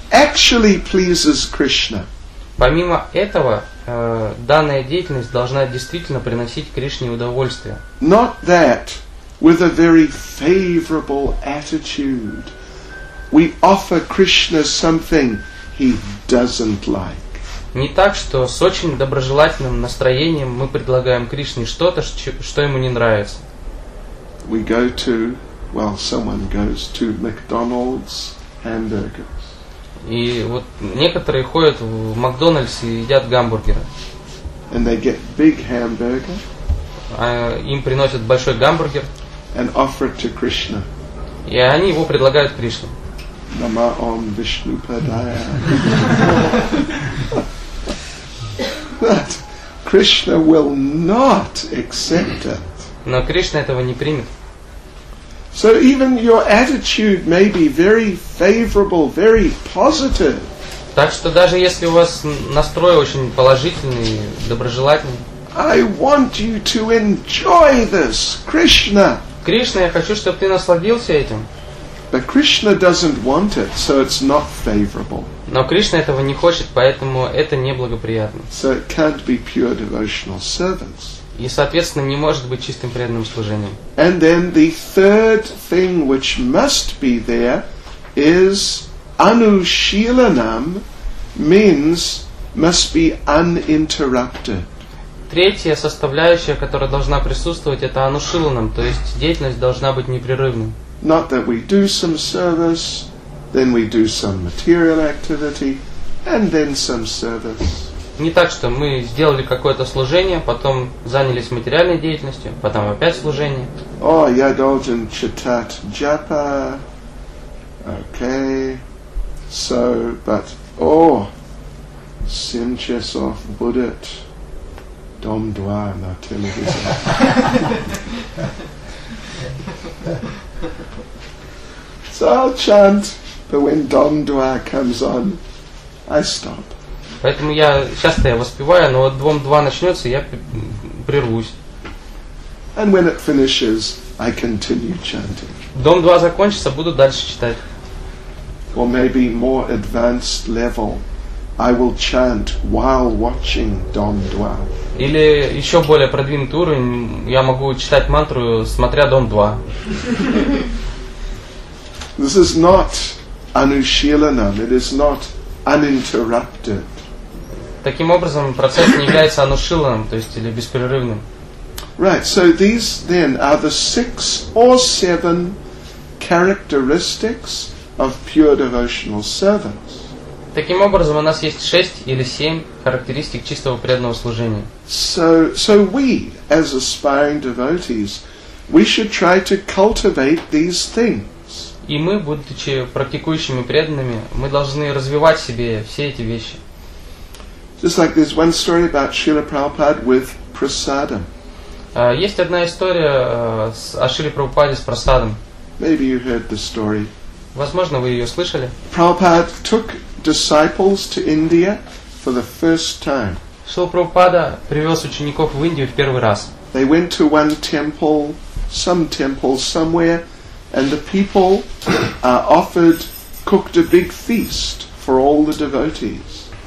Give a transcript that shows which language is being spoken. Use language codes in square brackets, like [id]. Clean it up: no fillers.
[en] actually pleases Krishna. [ru] Помимо этого, данная деятельность должна действительно приносить Кришне удовольствие. [en] Not that with a very favorable attitude we offer Krishna something he doesn't like. [ru] Не так, что с очень доброжелательным настроением мы предлагаем Кришне что-то, что ему не нравится. [en] We go to, well, someone goes to McDonald's hamburgers. [ru] И вот некоторые ходят в Макдональдс и едят гамбургеры. [en] And they get big hamburger. [ru] Им приносят большой гамбургер. [en] And offer it to Krishna. [ru] И они его предлагают Кришне. [sa] Нама ом Вишну Падая. [en] But Krishna will not accept it. [ru] Но Кришна этого не примет. [en] So even your attitude may be very favorable, very positive. [ru] Так что даже если у вас настрой очень положительный, доброжелательный. [en] I want you to enjoy this, Krishna. [ru] Кришна, я хочу, чтобы ты насладился этим. [en] But Krishna doesn't want it, so it's not favorable. [ru] Но Кришна этого не хочет, поэтому это неблагоприятно. [en] So it can't be pure devotional service. [ru] И, соответственно, не может быть чистым преданным служением. [en] And then the third thing which must be there is anushilanam means must be uninterrupted. [ru] Третья составляющая, которая должна присутствовать, это анушиланам, то есть деятельность должна быть непрерывной. [en] Not that we do some service, then we do some material activity, and then some service. [ru] Не так, что мы сделали какое-то служение, потом занялись материальной деятельностью, потом опять служение. О, я должен читать джапа. Окей. [en] So, but, oh, [ru] 7 часов будет Дом 2 на телевизоре. [en] So I'll chant, but when Дом 2 comes on, I stop. [ru] Поэтому я часто я воспеваю, но вот двум два начнется, я прервусь. [en] And when it finishes, I continue chanting. [ru] Дом два закончится, буду дальше читать. [en] Or maybe more advanced level, I will chant while watching Дом два. [ru] Или еще более продвинутый уровень, я могу читать мантру, смотря Дом два. [en] This is not anushilanam. It is not uninterrupted. [ru] Таким образом, процесс не является анушиланом, то есть или беспрерывным. [en] Right, so these then are the six or seven characteristics of pure devotional service. [ru] Таким образом, у нас есть шесть или семь характеристик чистого преданного служения. [en] So we, as aspiring devotees, we should try to cultivate these things. [ru] И мы, будучи практикующими преданными, мы должны развивать в себе все эти вещи. [en] Just like there's one story about Srila Prabhupada with prasadam. [ru] Есть одна история о Шриле Прабхупаде с прасадом. [en] Maybe you heard the story. [ru] Возможно, вы ее слышали. [en] Prabhupada took disciples to India for the first time. [ru] Шрила Прабхупада привез учеников в Индию в первый раз. [en] They went to one temple, some temple somewhere, and the people offered, cooked a big feast for all the devotees.